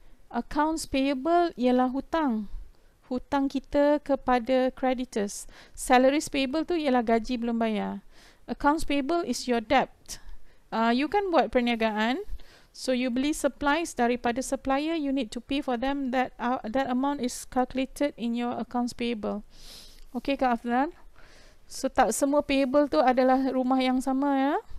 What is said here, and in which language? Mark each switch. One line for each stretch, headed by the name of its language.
Malay: Accounts payable ialah hutang. Hutang kita kepada creditors. Salaries payable tu ialah gaji belum bayar.
English: Accounts payable is your debt. You
Malay: kan buat perniagaan.
English: So you beli supplies daripada supplier, you need to pay for them. That amount is calculated in your accounts payable. Okay, Kak Afzal.
Malay: So tak semua payable tu adalah rumah yang sama ya.